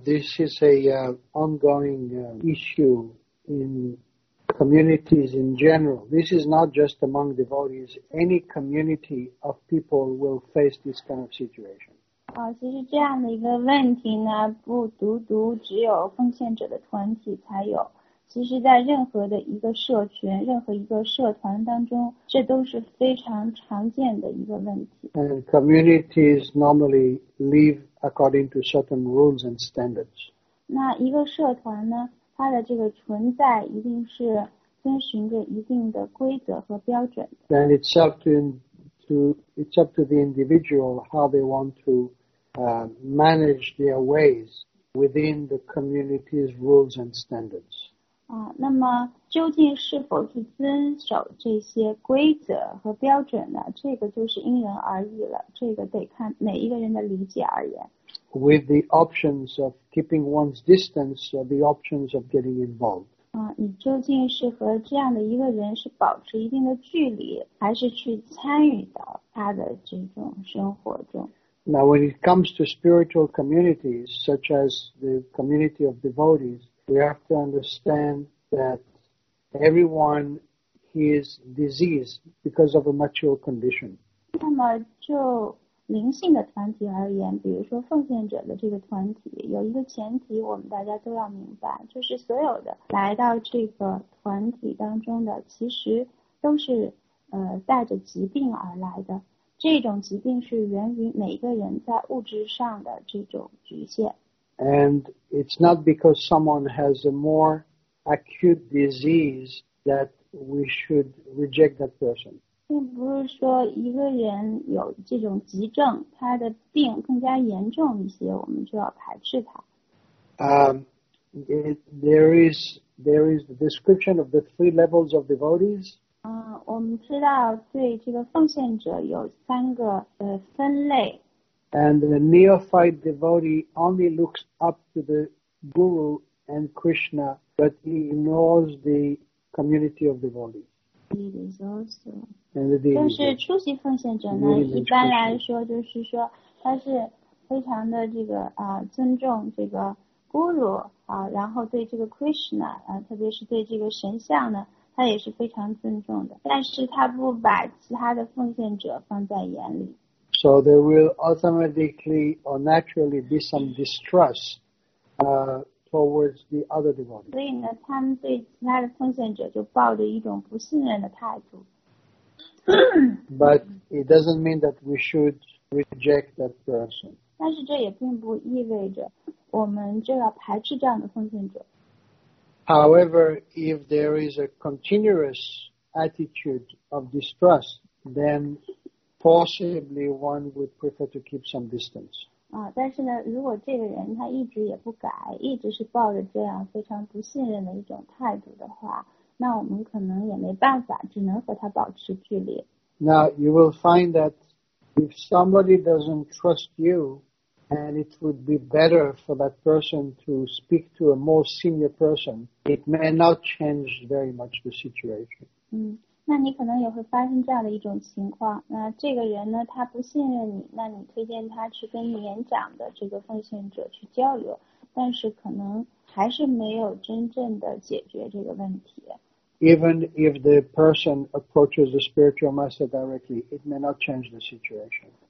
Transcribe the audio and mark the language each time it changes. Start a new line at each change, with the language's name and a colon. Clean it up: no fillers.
English: This is a ongoing issue in communities in general. This is not just among devotees. Any community of people will face this kind of situation.
Chinese: 其实这样的一个问题呢，不独独只有奉献者的团体才有。其实在任何的一个社群，任何一个社团当中，这都是非常常见的一个问题。
English: And communities normally live according to certain rules and standards.
Chinese: 那一个社团呢，它的这个存在一定是遵循着一定的规则和标准。
English: Then it's up to the individual how they want to manage their ways within the community's rules and standards.
Chinese: 那么究竟是否是遵守这些规则和标准呢？这个就是因人而异了，这个得看每一个人的理解而言。
English: With the options of keeping one's distance or the options of getting involved.
Chinese: 你究竟是和这样的一个人是保持一定的距离，还是去参与到他的这种生活中？
English: Now, when it comes to spiritual communities, such as the community of devotees, we have to understand that everyone is diseased because of a material condition.
Chinese: 那么就灵性的团体而言，比如说奉献者的这个团体，有一个前提我们大家都要明白，就是所有的来到这个团体当中的，其实都是带着疾病而来的。这种疾病是源于每个人在物质上的这种局限。
English: And it's not because someone has a more acute disease that we should reject that person.
Chinese: 并不是说一个人有这种急症，他的病更加严重一些，我们就要排斥他。
English: There is the description of the three levels of devotees.
Chinese: 我们知道对这个奉献者有三个分类。
English: And the neophyte devotee only looks up to the guru and Krishna, but he ignores the community of devotees. He is also.
Chinese: 但是初级奉献者呢，一般来说就是说他是非常的这个尊重这个 guru 啊，然后对这个 Krishna 啊，特别是对这个神像呢。他也是非常尊重的，但是他不把其他的奉献者放在眼里。
English: So there will automatically or naturally be some distrust, towards the other devotees.
Chinese: 所以呢，他们对其他的奉献者就抱着一种不信任的态度。
English: But it doesn't mean that we should reject that person.
Chinese: 但是这也并不意味着我们就要排斥这样的奉献者。
English: However, if there is a continuous attitude of distrust, then possibly one would prefer to keep some distance.
Chinese: 但是呢，如果这个人他一直也不改，一直是抱着这样非常不信任的一种态度的话，那我们可能也没办法，只能和他保持距离。
English: Now, you will find that if somebody doesn't trust you,And it would be better for that person to speak to a more senior person. It may not change very much the situation.
Chinese: 那你可能也会发生这样的一种情况。那这个人呢，他不信任你，那你推荐他去跟年长的这个奉献者去交流，但是可能还是没有真正的解决这个问题。
English: Even if the person approaches the spiritual master directly, it may not change the situation.